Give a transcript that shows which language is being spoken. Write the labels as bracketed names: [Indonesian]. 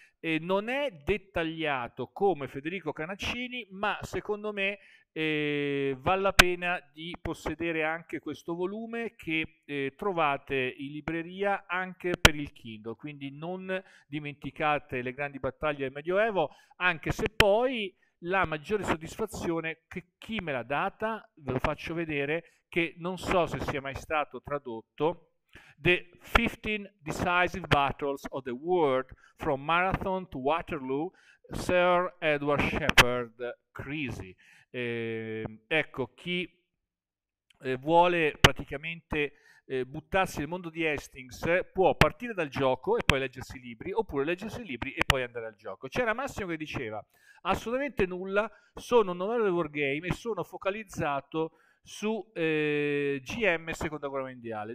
[Italian] Non è dettagliato come Federico Canaccini, ma secondo me vale la pena di possedere anche questo volume che trovate in libreria anche per il Kindle. Quindi non dimenticate Le grandi battaglie del Medioevo, anche se poi la maggiore soddisfazione che chi me l'ha data, ve lo faccio vedere, che non so se sia mai stato tradotto, [English] The 15 decisive battles of the world from Marathon to Waterloo, Sir Edward Shepherd Creasy. [Italian] Ecco, chi vuole praticamente buttarsi nel mondo di Hastings può partire dal gioco e poi leggersi i libri, oppure leggersi i libri e poi andare al gioco. C'era Massimo che diceva: assolutamente nulla, sono un novello di wargame e sono focalizzato su GM Seconda Guerra Mondiale.